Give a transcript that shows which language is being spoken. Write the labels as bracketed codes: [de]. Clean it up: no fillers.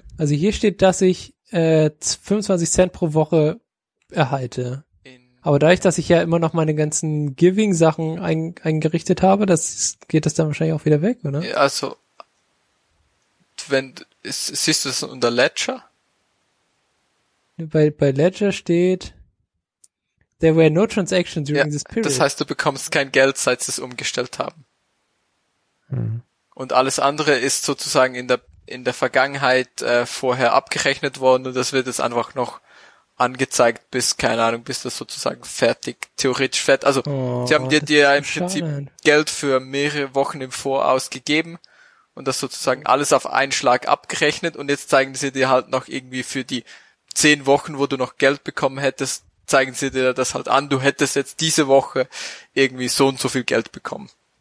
[de] Also hier steht, dass ich 25 Cent pro Woche erhalte. Aber dadurch, dass ich ja immer noch meine ganzen Giving-Sachen eingerichtet habe, das geht das dann wahrscheinlich auch wieder weg, oder? Also, siehst du das unter Ledger? Bei Ledger steht, [en] there were no transactions during this period. [de] Das heißt, du bekommst kein Geld, seit sie es umgestellt haben. Hm. Und alles andere ist sozusagen in der Vergangenheit vorher abgerechnet worden und das wird jetzt einfach noch angezeigt, bis, keine Ahnung, bis das sozusagen fertig, theoretisch fertig. Also, sie haben dir ja im Prinzip Geld für mehrere Wochen im Voraus gegeben und das sozusagen alles auf einen Schlag abgerechnet und jetzt zeigen sie dir halt noch irgendwie für die 10 Wochen, wo du noch Geld bekommen hättest, zeigen sie dir das halt an, du hättest jetzt diese Woche irgendwie so und so viel Geld bekommen.